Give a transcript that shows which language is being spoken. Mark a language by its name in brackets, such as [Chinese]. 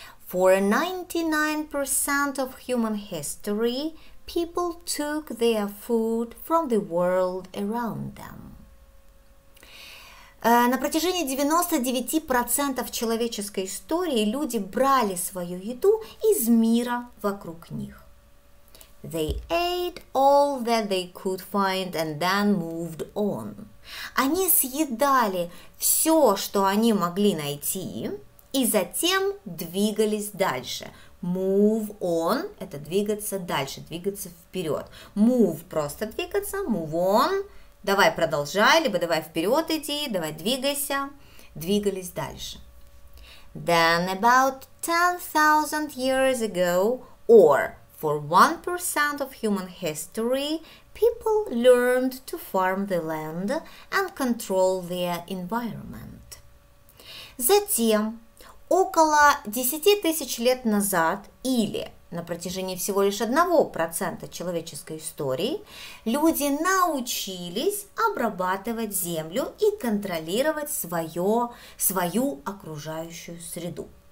[English] For 99% of human history, people took their food from the world around them. [Russian] На протяжении 99% человеческой истории люди брали свою еду из мира вокруг них. [English] They ate all that they could find and then moved on. [Russian] Они съедали все, что они могли найти, и затем двигались дальше. Move on – это двигаться дальше, двигаться вперед. Move – просто двигаться, move on – давай продолжай, либо давай вперед иди, давай двигайся. Двигались дальше. [English] Then about 10,000 years ago, or for 1% of human history, people learned to farm the land and control their environment. [Russian] Затем, около 10 тысяч лет назад, или на протяжении всего лишь 1% человеческой истории, люди научились обрабатывать землю и контролировать свою окружающую среду.